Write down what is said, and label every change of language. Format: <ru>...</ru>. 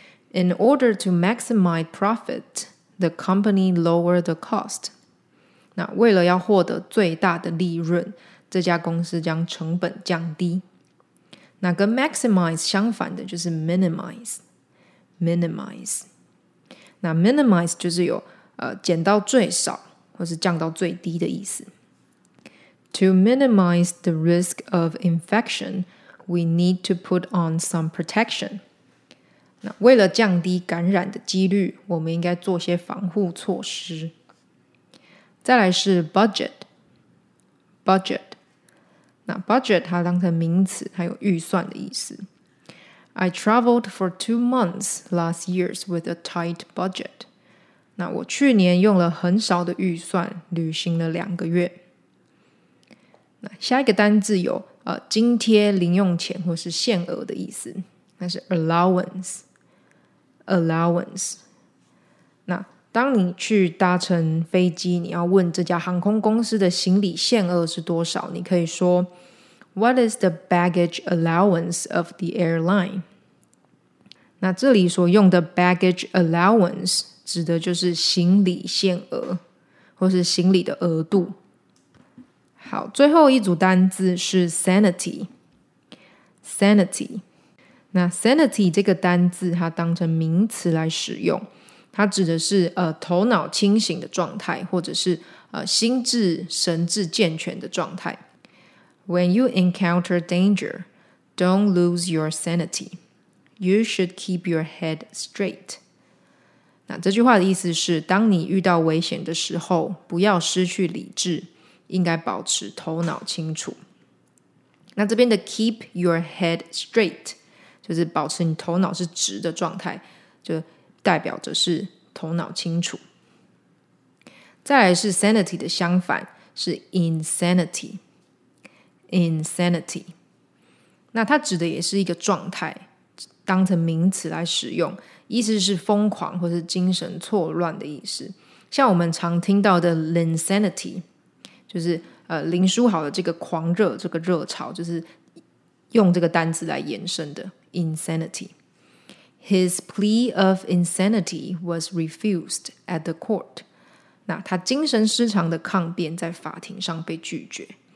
<en>In order to maximize profit, the company lowered the cost.</en> <zh>那为了要获得最大的利润，这家公司将成本降低。那跟 maximize 相反的就是 minimize。那 minimize 就是有减到最少或是降到最低的意思。</zh> <en>To minimize the risk of infection, we need to put on some protection.</en> <zh>那为了降低感染的几率，我们应该做些防护措施。再来是 budget。那 budget 它当成名词，它有预算的意思。</zh> <en>I traveled for 2 months last year with a tight budget.</en> <zh>那我去年用了很少的预算旅行了两个月。那下一个单字有津贴、零用钱或是限额的意思，那是 allowance。那当你去搭乘飞机，你要问这家航空公司的行李限额是多少，你可以说</zh> <en>What is the baggage allowance of the airline?</en> <zh>那这里所用的</zh> <en>baggage allowance</en> <zh>指的就是行李限额或是行李的额度。好，最后一组单字是 sanity。那 sanity 这个单字它当成名词来使用，它指的是头脑清醒的状态，或者是心智神智健全的状态。</zh> <en>When you encounter danger, don't lose your sanity. You should keep your head straight.</en> <zh>那这句话的意思是，当你遇到危险的时候，不要失去理智，应该保持头脑清楚。那这边的</zh> <en>keep your head straight</en> <zh>就是保持你头脑是直的状态，就代表着是头脑清楚。再来是 sanity 的相反是 insanity。那它指的也是一个状态，当成名词来使用，意思是疯狂或是精神错乱的意思，像我们常听到的 linsanity， 就是林书豪的这个狂热，这个热潮，就是用这个单字来延伸的 insanity。</zh> <en>His plea of insanity was refused at the court。</en> <zh>那他精神失常的抗辩在法庭上被拒绝。</zh>